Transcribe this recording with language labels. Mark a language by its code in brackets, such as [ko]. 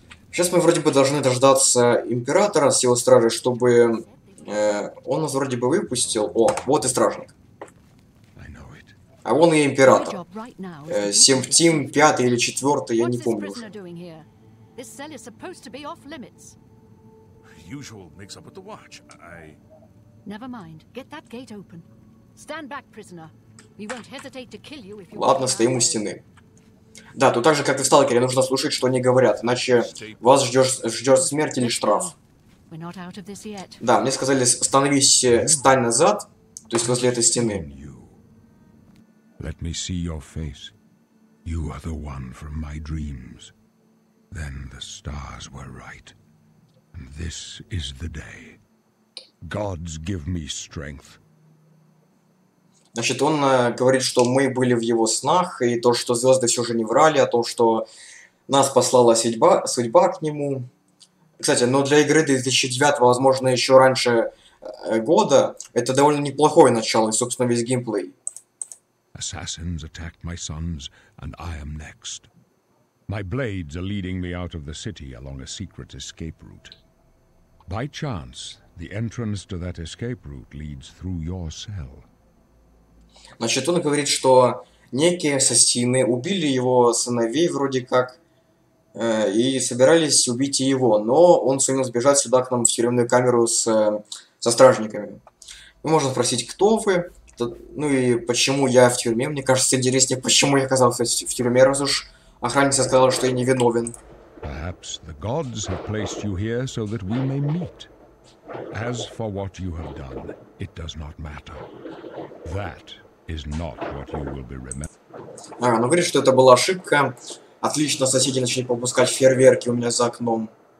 [ru] Сейчас мы вроде бы должны дождаться Императора с его стражей, чтобы он нас вроде бы выпустил. О, вот и стражник. А вон и Император. Семптим, пятый или четвертый, я не помню уже. [en] This cell is supposed to be off limits. Usual mix up with the watch. I never mind. Get that gate open. Stand back, prisoner. We won't hesitate to kill you if you. [ru] Ладно, стоим у стены. Да, тут так же, как и в Сталкере, нужно слушать, что они говорят, иначе вас ждет смерть или штраф. [en] We're not out of this yet. [ru] Да, мне сказали, стань назад, то есть возле этой стены. [en] Let me see your face. You are the one from my dreams. Then the stars were right, and this is the day. Gods give me strength. [ru] Значит, он говорит, что мы были в его снах, и то, что звезды все же не врали, о том, что нас послала судьба к нему. Кстати, но для игры 2009, возможно, еще раньше года, это довольно неплохое начало, и, собственно, весь геймплей. [en] Assassins attacked my sons, and I am next. My blades are leading me out of the city along a secret escape route. By chance, the entrance to that escape route leads through your cell. [ru] Значит, он говорит, что некие ассасины убили его сыновей вроде как, и собирались убить его, но он сумел сбежать сюда к нам в тюремную камеру со стражниками. Мы можем спросить, кто вы, ну и почему я в тюрьме. Мне кажется, интереснее, почему я оказался в тюрьме, раз уж охранница сказала, что я не виновен. [en] Perhaps the gods have placed you here so that we may meet. As for what you have done, it does not matter. That is not what you will be remembered. [ru] Ага, ну говорит, что это была ошибка. Отлично, соседи начали пропускать фейерверки у меня за окном.